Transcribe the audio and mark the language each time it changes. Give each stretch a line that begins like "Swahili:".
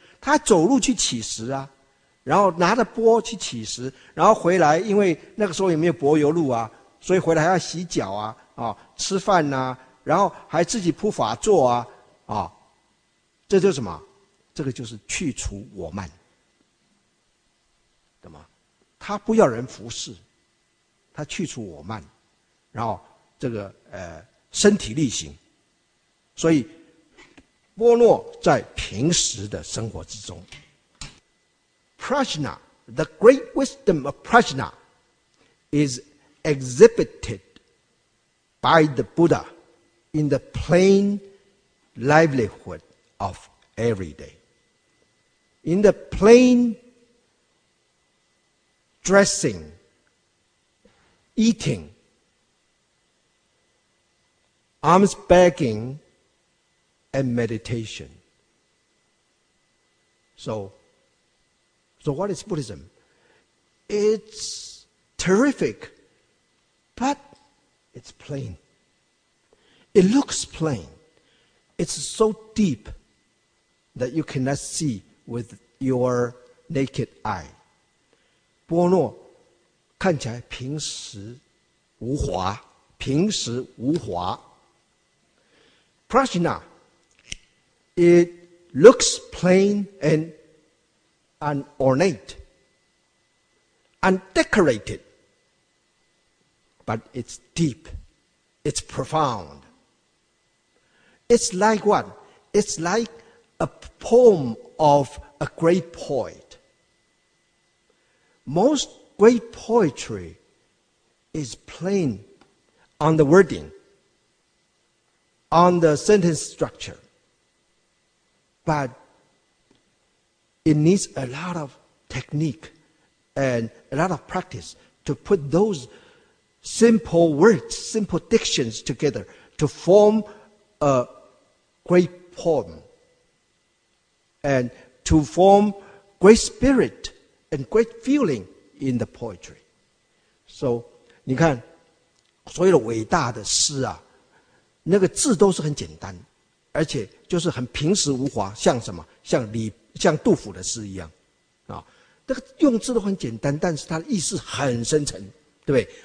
Chinese: 他走路去乞食啊，然后拿着钵去乞食，然后回来，因为那个时候也没有柏油路啊，所以回来还要洗脚啊，吃饭啊，然后还自己铺法座啊，这就是什么？这个就是去除我慢，懂吗？他不要人服侍，他去除我慢，然后这个身体力行。所以波诺在平时的生活之中，
English: Prajna, the great wisdom of Prajna is exhibited by the Buddha in the plain livelihood of every day. In the plain dressing, eating, alms begging, and meditation. So what is Buddhism? It's terrific, but it's plain. It looks plain. It's so deep that you cannot see with your naked eye.
Chinese: 波诺看起来平时无华，平时无华。
English: Prajna, it looks plain and unornate, undecorated, but it's deep, it's profound. It's like what? It's like a poem of a great poet. Most great poetry is plain on the wording, on the sentence structure, but it needs a lot of technique and a lot of practice to put those simple words, simple dictions together to form a great poem and to form great spirit and great feeling in the poetry.
Chinese: So, 你看，所有的伟大的诗啊，那个字都是很简单，而且就是很平实无华，像什么？像杜甫的诗一样，啊，那个用字都很简单，但是它的意思很深沉，对不对？